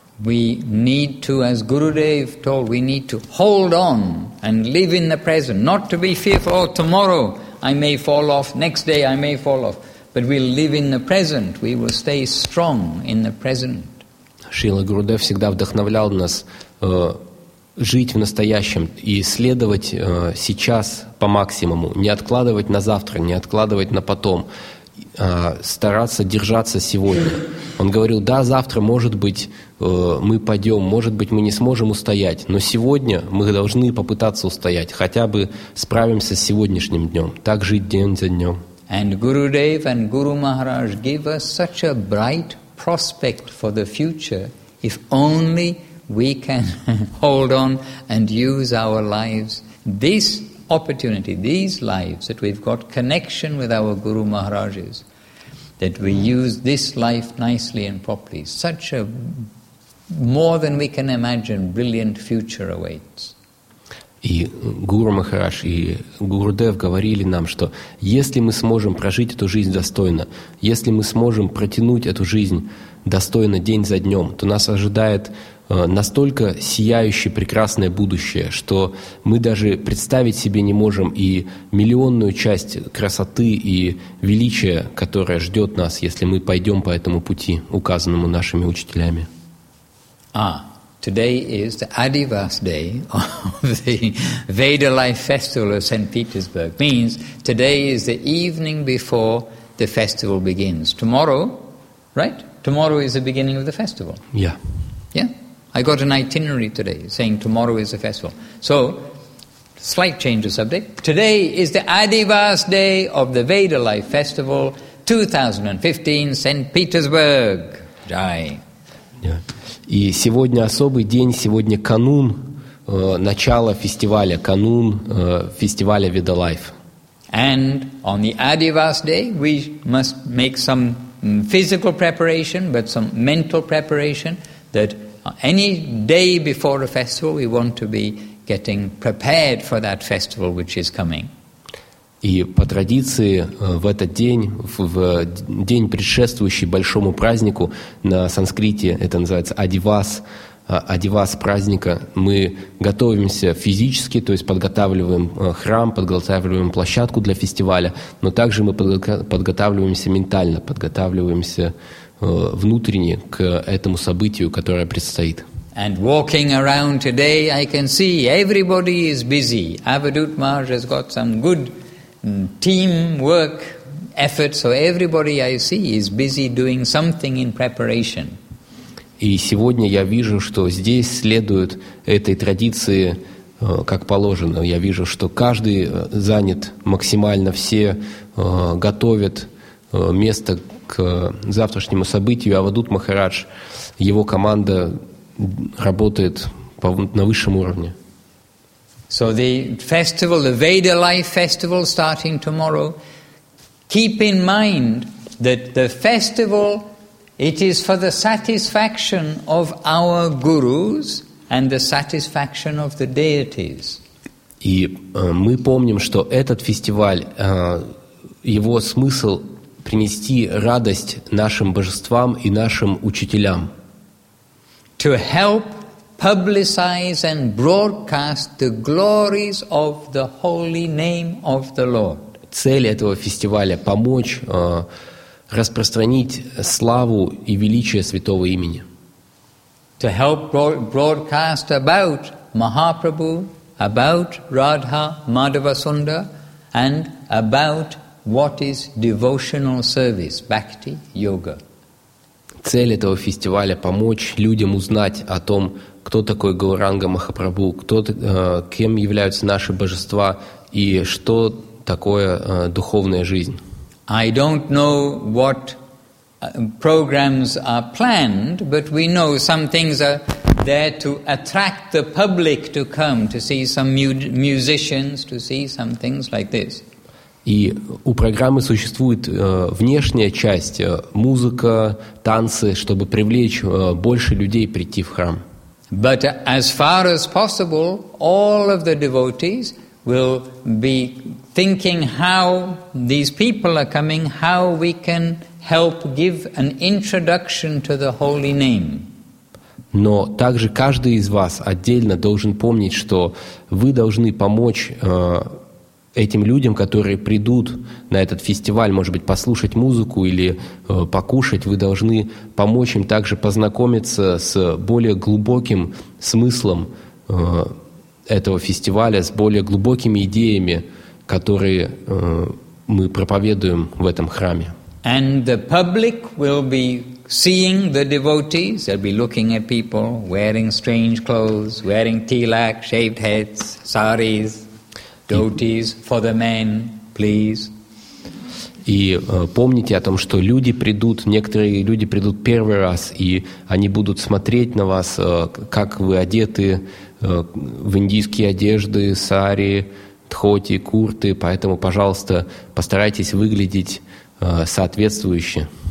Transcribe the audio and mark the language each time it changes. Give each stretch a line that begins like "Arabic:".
English: We need to, as Gurudev told, we need to hold on and live in the present, not to be fearful, oh, tomorrow I may fall off, next day I may fall off, but we'll live in the present, we will stay strong in the present.
Russian: Шрила Гурудев всегда вдохновлял нас жить в настоящем и следовать сейчас по максимуму, не откладывать на завтра, не откладывать на потом, стараться держаться сегодня. Он говорил, да, завтра, может быть, мы пойдем, может быть, мы не сможем устоять, но сегодня мы должны попытаться устоять, хотя бы справимся с сегодняшним днем, так жить день за днем.
English: And Gurudev and Guru Maharaj give us such a bright prospect for the future, if only we can hold on and use our lives. This opportunity, these lives, that we've got connection with our Guru Maharajas, that we use this life nicely and properly. Such a more than we can imagine brilliant future awaits.
Russian: И Гуру Махараш, и Гурудев говорили нам, что если мы сможем прожить эту жизнь достойно, если мы сможем протянуть эту жизнь достойно день за днем, то нас ожидает настолько сияющее прекрасное будущее, что мы даже представить себе не можем и миллионную часть красоты и величия, которое ждет нас, если мы пойдем по этому пути, указанному нашими учителями. А,
English: Today is the Adivas day of the Veda Life Festival of St. Petersburg. Means today is the evening before the festival begins. Tomorrow, right? Tomorrow is the beginning of the festival. Yeah. Yeah? I got an itinerary today saying tomorrow is the festival. So, slight change of subject. Today is the Adivas day of the Veda Life Festival 2015, St. Petersburg. Jai. Yeah.
Russian: И сегодня особый день, сегодня канун начала фестиваля, канун фестиваля Veda Life.
English: And on the Adivas day, we must make some physical preparation, but some mental preparation, that any day before the festival, we want to be getting prepared for that festival, which is coming.
Russian: И по традиции в этот день, в день, предшествующий большому празднику, на санскрите это называется «адивас», «адивас» праздника, мы готовимся физически, то есть подготавливаем храм, подготавливаем площадку для фестиваля, но также мы подготавливаемся ментально, подготавливаемся внутренне к этому событию, которое предстоит.
English: And walking around today, I can see everybody is busy. Avadhut Maharaj has got some good teamwork effort, so everybody I see is busy doing something in preparation.
Russian: И сегодня я вижу, что здесь следуют этой традиции, как положено. Я вижу, что каждый занят максимально, все готовят место к завтрашнему событию. Авадут Махарадж, его команда работает на высшем уровне.
English: So the festival, the Veda Life Festival, starting tomorrow, keep in mind that the festival, it is for the satisfaction of our gurus and the satisfaction of the deities.
Russian: И мы помним, что этот фестиваль, его смысл принести радость нашим божествам и нашим учителям.
English: To help publicize and broadcast the glories of the holy name of the Lord.
Russian: Цель этого фестиваля – помочь распространить славу и величие святого имени.
English: To help broadcast about Mahaprabhu, about Radha Madhavasunda, and about what is devotional service, bhakti, yoga.
Russian: Цель этого фестиваля – помочь людям узнать о том, кто такой Гауранга Махапрабху, кем являются наши божества и что такое духовная жизнь.
English: I don't know what programs are planned, but we know some things are there to attract the public to come, to see some musicians, to see some things like this.
Russian: И у программы существует внешняя часть – музыка, танцы, чтобы привлечь больше людей прийти в храм.
English: But as far as possible, all of the devotees will be thinking how these people are coming, how we can help give an introduction to the holy name.
Russian: Но также каждый из вас отдельно должен помнить, что вы должны помочь этим людям, которые придут на этот фестиваль, может быть, послушать музыку или покушать, вы должны помочь им также познакомиться с более глубоким смыслом этого фестиваля, с более глубокими идеями, которые мы проповедуем в этом храме.
English: And the public will be seeing the devotees, they'll be looking at people wearing strange clothes, wearing tilak, shaved heads, saris. Dhotis for the men, please.
Russian: И помните о том, что люди придут, некоторые люди придут первый раз, и они будут смотреть на вас, как вы одеты в индийские одежды, сари, дхоти, курты. Поэтому, пожалуйста, постарайтесь выглядеть соответствующе.